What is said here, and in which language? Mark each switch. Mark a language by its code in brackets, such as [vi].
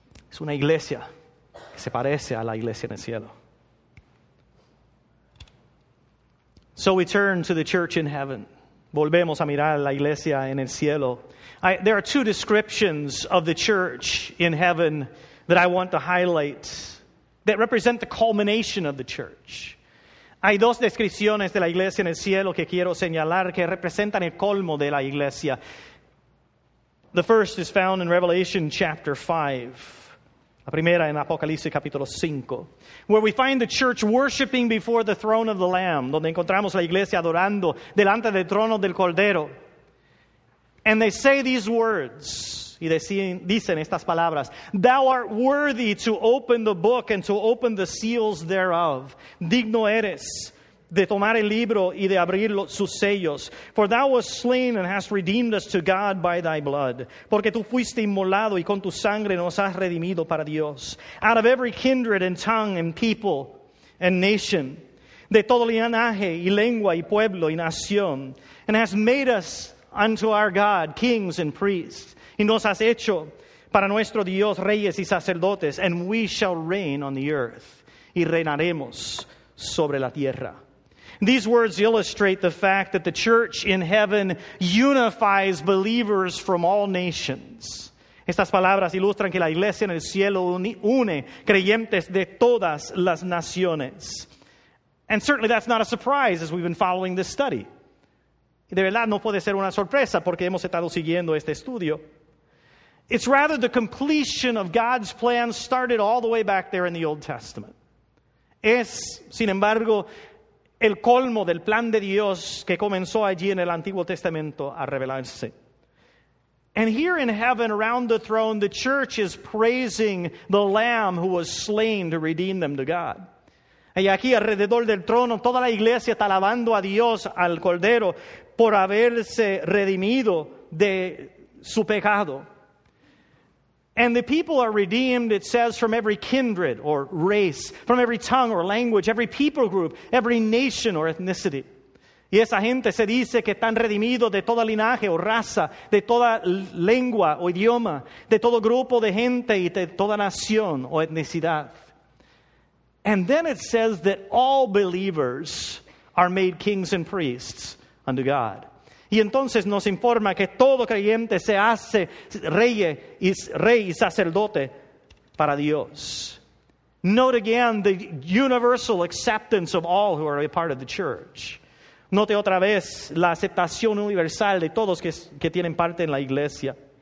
[es] Es una iglesia que se parece a la iglesia en el cielo. [en] So we turn to the church in heaven. [es] Volvemos a mirar la iglesia en el cielo. [en] There are two descriptions of the church in heaven that I want to highlight that represent the culmination of the church. [es] Hay dos descripciones de la iglesia en el cielo que quiero señalar que representan el colmo de la iglesia. [en] The first is found in Revelation chapter 5. [es] La primera en Apocalipsis capítulo 5, [en] where we find the church worshiping before the throne of the Lamb, [es] donde encontramos la iglesia adorando delante del trono del Cordero. [en] And they say these words, [es] y dicen estas palabras, [en] "Thou art worthy to open the book and to open the seals thereof. [es] Digno eres de tomar el libro y de abrir sus sellos. [en] For thou wast slain and hast redeemed us to God by thy blood. [es] Porque tú fuiste inmolado y con tu sangre nos has redimido para Dios. [en] Out of every kindred and tongue and people and nation, [es] de todo linaje y lengua y pueblo y nación, [en] and hast made us unto our God kings and priests. [es] Y nos has hecho para nuestro Dios reyes y sacerdotes. [en] And we shall reign on the earth. [es] Y reinaremos sobre la tierra." [en] These words illustrate the fact that the church in heaven unifies believers from all nations. [es] Estas palabras ilustran que la iglesia en el cielo une creyentes de todas las naciones. [en] And certainly that's not a surprise as we've been following this study. [es] De verdad no puede ser una sorpresa porque hemos estado siguiendo este estudio. [en] It's rather the completion of God's plan started all the way back there in the Old Testament. [es] Es, sin embargo, el colmo del plan de Dios que comenzó allí en el Antiguo Testamento a revelarse. [en] And here in heaven, around the throne, the church is praising the Lamb who was slain to redeem them to God. [es] Y aquí alrededor del trono, toda la iglesia está alabando a Dios, al Cordero, por haberse redimido de su pecado. [en] And the people are redeemed, it says, from every kindred or race, from every tongue or language, every people group, every nation or ethnicity. [es] Y esa gente se dice que están redimidos de todo linaje o raza, de toda lengua o idioma, de todo grupo de gente y de toda nación o etnicidad. [en] And then it says that all believers are made kings and priests unto God. [es] Y entonces nos informa que todo creyente se hace rey y sacerdote para Dios. [en] Note again the universal acceptance of all who are a part of the church. [es] Note otra vez la aceptación universal de todos que tienen parte en la iglesia.